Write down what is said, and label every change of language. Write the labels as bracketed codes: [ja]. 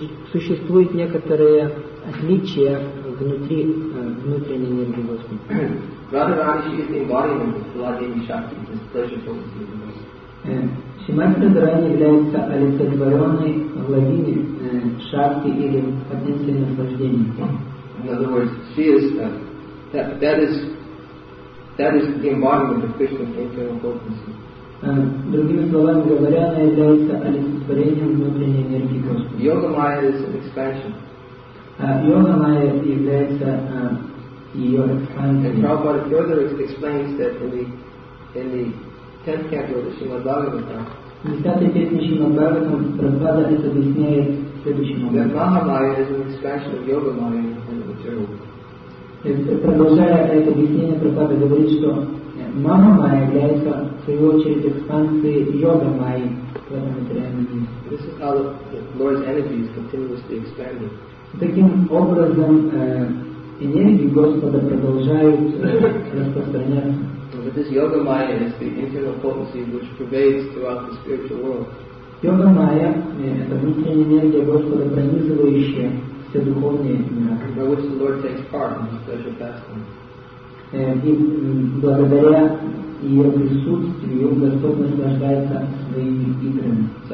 [ru] Существуют некоторые отличия внутри внутренней энергии Господа. [en] Radharani is the embodiment of Kaladevi Shakti, this pleasure focus of the Lord. [ru] Shrimati Radharani является олицетворенной Владими Шакти или потенциальным наслаждением. [en] In other words, she is that is the embodiment of Krishna's internal potency. [ru] Другими словами говоря, она является олицетворением внутренней энергии Господа. [en] Yoga Maya is an expansion. [ru] Yoga Maya является ее expansion. [en] Prabhupada further explains that in the 10th canto of the Srimad Bhagavatam. [ru] В 10-й песне Шримад Бхагаватам Прабхупада это объясняет следующим образом. [en] Mahamaya is an expansion of Yoga Maya in the material. [ru] Продолжая это объяснение, Прабхупада говорит, что Мама Майя является, в свою очередь, экспансией йога Майи в этом материальном мире. [en] This is how the Lord's energy is continuously expanding. [ru] Таким образом, энергии Господа продолжают распространяться. [en] But this yoga Майя is the internal potency which pervades throughout the spiritual world. [ru] Йога Майя — это внутренняя энергия Господа, пронизывающая все духовные миры. [en] By which the Lord takes part in his pleasure pastime. [ru] И благодаря ее присутствию Господь наслаждается своими играми.